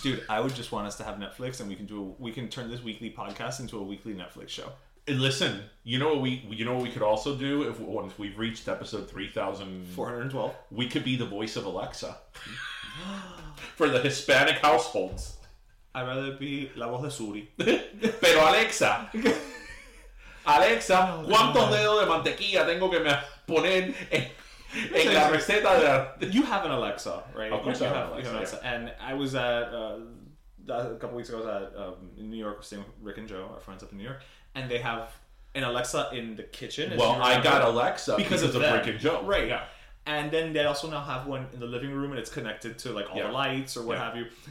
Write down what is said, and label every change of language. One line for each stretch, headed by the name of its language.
English: Dude, I would just want us to have Netflix, and we can turn this weekly podcast into a weekly Netflix show. And listen, you know what we could also do once we've reached episode 3,412? We could be the voice of Alexa for the Hispanic households. I'd rather be
Spanish: la voz de Suri. Pero Alexa. Alexa, ¿cuántos dedos de mantequilla tengo que me poner en... Hey, la receta de...
English: You have an Alexa, right? Of course, you have Alexa. Alexa. Yeah. And I was at a couple weeks ago. I was at in New York, staying with Rick and Joe, our friends up in New York, and they have an Alexa in the kitchen. Well, I got Alexa because of Rick and Joe, right? Yeah. And then they also now have one in the living room, and it's connected to like all the lights or what have you.